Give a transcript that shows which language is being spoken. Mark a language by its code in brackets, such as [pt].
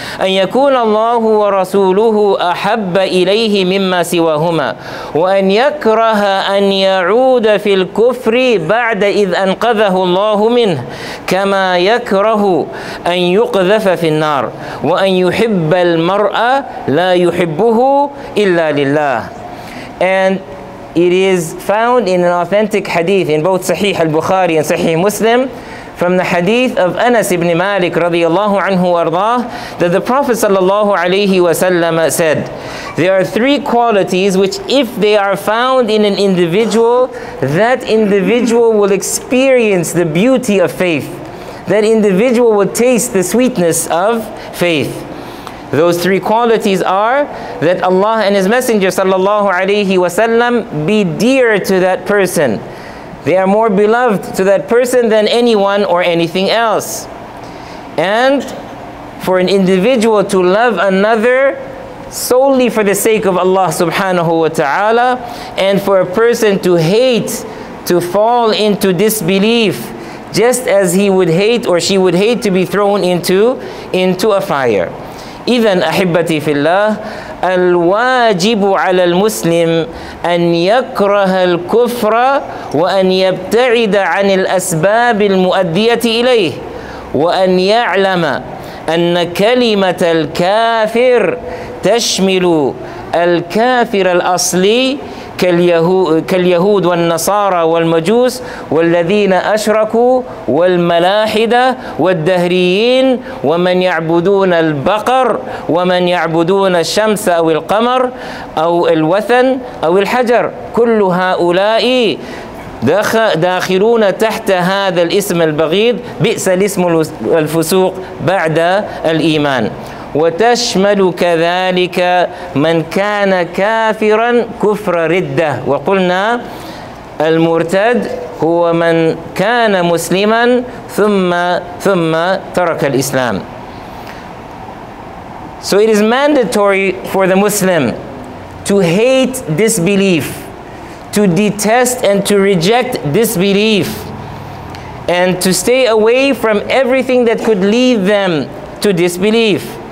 [ar] أن يكون الله ورسوله أحب إليه مما سواهما، وأن يكره أن يعود في الكفر بعد إذ أنقذه الله منه، كما يكره أن يقذف في النار، وأن يحب المرأة لا يحبه إلا لله. [en] And it is found in an authentic hadith in both Sahih al-Bukhari and Sahih Muslim from the hadith of Anas ibn Malik radiyallahu anhu warḍah that the Prophet sallallahu alayhi wa sallam said, there are three qualities which if they are found in an individual, that individual will experience the beauty of faith. That individual will taste the sweetness of faith. Those three qualities are that Allah and His Messenger sallallahu alayhi wa sallam be dear to that person. They are more beloved to that person than anyone or anything else. And for an individual to love another solely for the sake of Allah subhanahu wa ta'ala, and for a person to hate, to fall into disbelief, just as he would hate or she would hate to be thrown into a fire. [ar] إذن أحبتي في الله الواجب على المسلم أن يكره الكفر وأن يبتعد عن الأسباب المؤدية إليه وأن يعلم أن كلمة الكافر تشمل الكافر الأصلي كاليهود والنصارى والمجوس والذين أشركوا والملاحدة والدهريين ومن يعبدون البقر ومن يعبدون الشمس أو القمر أو الوثن أو الحجر كل هؤلاء داخلون تحت هذا الاسم البغيض بئس الاسم الفسوق بعد الإيمان وتشمل كذلك من كان كافرا كفر ردة وقلنا المرتد هو من كان مسلما ثم ترك الإسلام. [en] So it is mandatory for the Muslim to hate disbelief, to detest and to reject disbelief, and to stay away from everything that could lead them to disbelief.